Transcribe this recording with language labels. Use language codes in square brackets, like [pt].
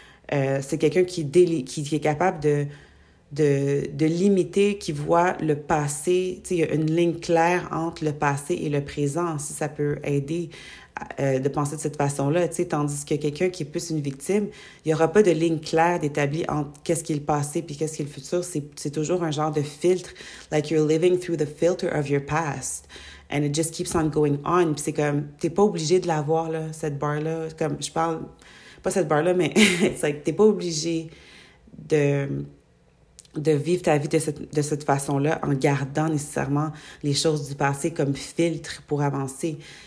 [fr] C'est quelqu'un qui est capable de limiter, qui voit le passé. Tu sais, il y a une ligne claire entre le passé et le présent, si ça peut aider de penser de cette façon-là. Tu sais, tandis que quelqu'un qui est plus une victime, il n'y aura pas de ligne claire d'établie entre qu'est-ce qui est le passé puis qu'est-ce qui est le futur. C'est toujours un genre de filtre. [en] Like, you're living through the filter of your past. And it just keeps on going on. [fr] Puis c'est comme, tu n'es pas obligé de l'avoir, là, cette barre-là. Comme, je parle... Pas cette barre-là, mais... c'est like, tu n'es pas obligé de vivre ta vie de cette façon-là en gardant nécessairement les choses du passé comme filtre pour avancer.